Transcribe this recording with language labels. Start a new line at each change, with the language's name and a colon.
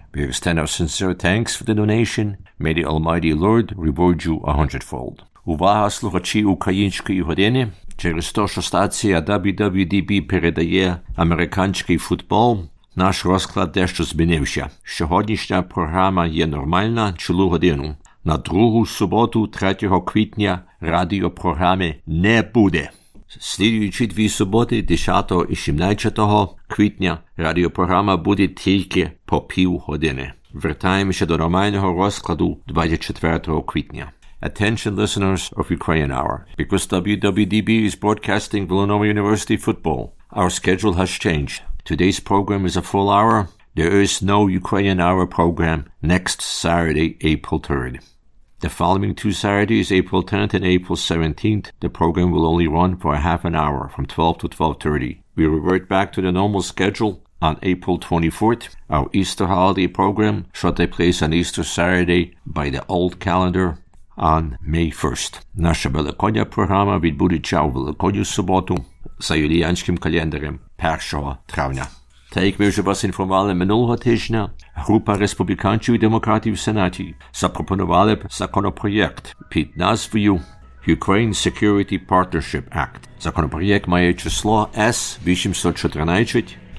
English: We extend our sincere thanks for the donation. May the Almighty Lord reward you 100-fold.
Ukrainian: Увага, слухачі української години! Через те, що стація WWDB передає американський футбол, наш розклад дещо змінився. Сьогоднішня програма є нормальна цілу годину. На другу суботу, 3 квітня, радіопрограми не буде. Слідуючі дві суботи, 10 і 17 квітня, радіопрограма буде тільки по пів години. Вертаємося до нормального розкладу 24 квітня.
English: Attention listeners of Ukraine Hour, because WWDB is broadcasting Villanova University football, our schedule has changed. Today's program is a full hour. There is no Ukraine Hour program next Saturday, April 3rd. The following two Saturdays, April 10th and April 17th, the program will only run for a half an hour from 12 to 12:30. We revert back to the normal schedule on April 24th. Our Easter holiday program shall take place on Easter Saturday by the old calendar. On May 1st.
Ukrainian: Наша Великодня програма відбудеться у Великодню суботу за юліанським календарем 1 травня. Та як ми вже вас інформували минулого тижня, група республіканців і демократів в Сенаті запропонували законопроєкт під назвою Ukraine Security Partnership Act. Законопроєкт має число S-814,